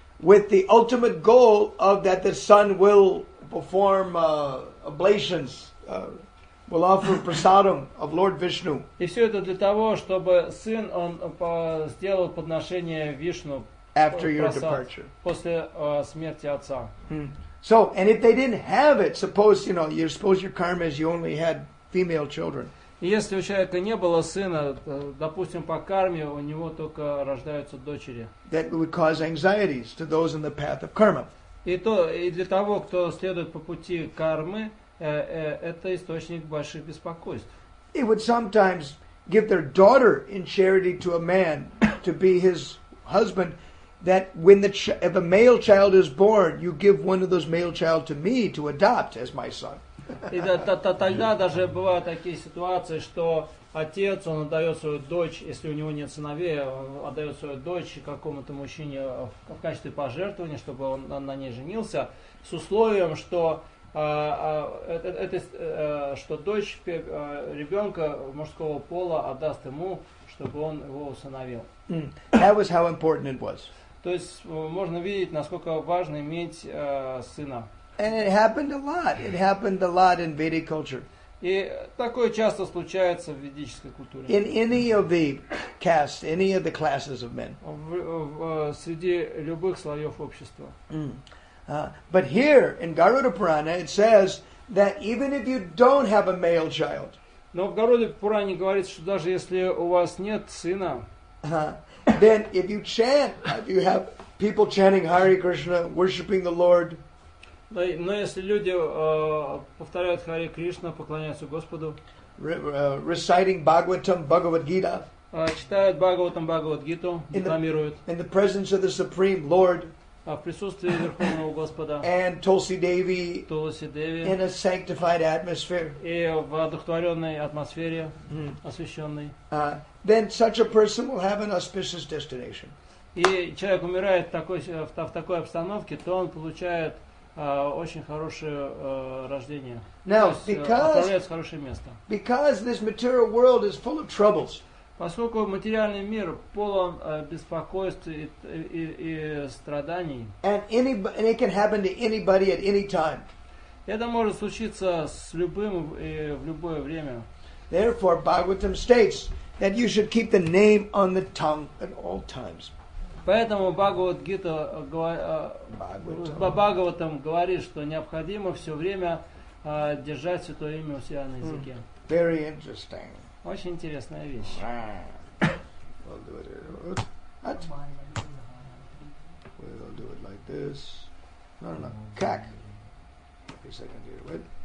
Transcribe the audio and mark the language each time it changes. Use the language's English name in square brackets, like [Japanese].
[English] With the ultimate goal of that the son will perform oblations. Will offer prasadam of Lord Vishnu. [Russian] И все это для того, чтобы сын он сделал подношение Вишну. [English] After your departure. [Russian] После смерти отца. [English] So, and if they didn't have it, suppose your karma is you only had female children. [Russian] Если у человека не было сына, допустим, по карме у него только рождаются дочери. [English] That would cause anxieties to those in the path of karma. [Russian] И для того, кто следует по пути кармы. Это источник больших беспокойств. [English] They would sometimes give their daughter in charity to a man to be his husband. That when if a male child is born, you give one of those male child to me to adopt as my son. [Russian] И тогда даже бывают такие ситуации, что отец он отдает свою дочь, если у него нет сыновей, он отдает свою дочь какому-то мужчине в качестве пожертвования, чтобы он на ней женился, с условием, что что дочь ребенка мужского пола отдаст ему, чтобы он его усыновил. [English] That was how important it was. [Russian] То есть можно видеть, насколько важно иметь сына. [English] And it happened a lot. It happened a lot in Vedic culture. [Russian] И такое часто случается в ведической культуре. [English] In any of the castes, any of the classes of men. [Russian] В среди любых слоев общества. [English] But here in Garuda Purana it says that even if you don't have a male child. [Russian] Но в Гаруда Пуране говорится, что даже если у вас нет сына, [English] then if you chant, if you have people chanting Hare Krishna, worshiping the Lord. [Russian] Но если люди повторяют Hare Krishna, поклоняются Господу, [English] reciting Bhagavatam, Bhagavad Gita, [Russian] читают Бхагаватам, Бхагавад Гиту, декламируют. [English] In the presence of the Supreme Lord. [Russian] В присутствии Верховного Господа. [English] And Tulsi Devi. [Russian] Tulsi Devi. [English] In a sanctified atmosphere. [Russian] И в одухотворенной атмосфере, освященной. [English] Then such a person will have an auspicious destination. [Russian] И человек умирает в такой обстановке, то он получает очень хорошее рождение. [English] Now, [Russian] то есть, отправляется в хорошее место. [English] Because this material world is full of troubles. [Russian] Поскольку материальный мир полон беспокойств и страданий. [English] And it can happen to anybody at any time. [Russian] Это может случиться с любым и в любое время. [English] Therefore, Bhagavatam states that you should keep the name on the tongue at all times. [Russian] Поэтому Бхагаватам говорит, что необходимо все время держать святое имя у себя на языке. [English] Very interesting. [Russian] Очень интересная вещь. [English] We'll do it like this. No. [Russian] Как? [English] Wait a second here. Wait.